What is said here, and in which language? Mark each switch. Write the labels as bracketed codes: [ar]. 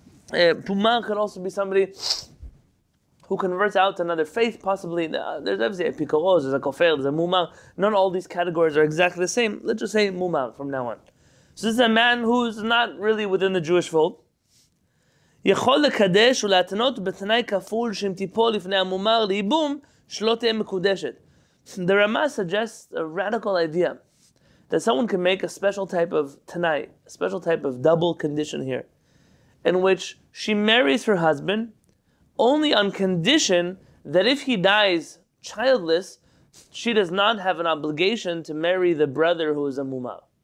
[en] Mumar could also be somebody who converts out to another faith, possibly. There's obviously a pikoros, there's a kofer, there's a mumar. Not all these categories are exactly the same. Let's just say mumar from now on. So this is a man who's not really within the Jewish fold. [he] יכול לקדש ולהתנות בתנאי כפול שאם תיפול לפני המומר ליבום, שלא תהיה מקודשת. [en] The Rama suggests a radical idea that someone can make a special type of tanai, a special type of double condition here, in which she marries her husband only on condition that if he dies childless, she does not have an obligation to marry the brother who is a mumar.